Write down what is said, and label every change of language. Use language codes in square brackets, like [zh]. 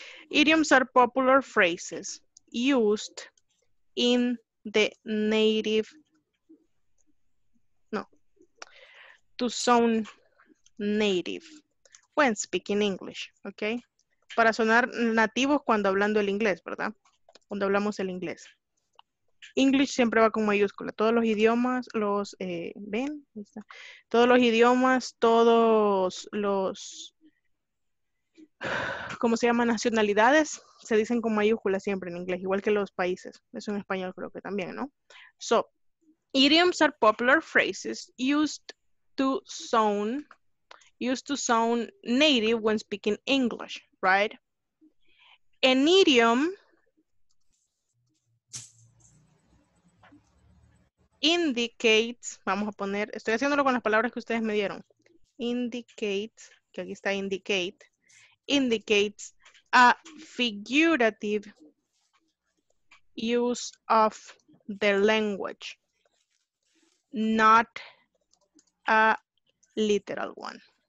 [en] Idioms are popular phrases used in the native, to sound native when speaking English, okay? [es] Para sonar nativos cuando hablando el inglés, ¿verdad? Cuando hablamos el inglés. English siempre va con mayúscula. Todos los idiomas, los, ¿ven? Todos los idiomas, todos los... ¿Cómo se llama? Nacionalidades. Se dicen con mayúsculas siempre en inglés, igual que los países. Eso en español creo que también, ¿no? [en] So, idioms are popular phrases used to sound native when speaking English, right? An idiom indicates, [es] vamos a poner, estoy haciéndolo con las palabras que ustedes me dieron. Indicate, que aquí está indicate. [en] Indicates a figurative use of the language, not a literal one.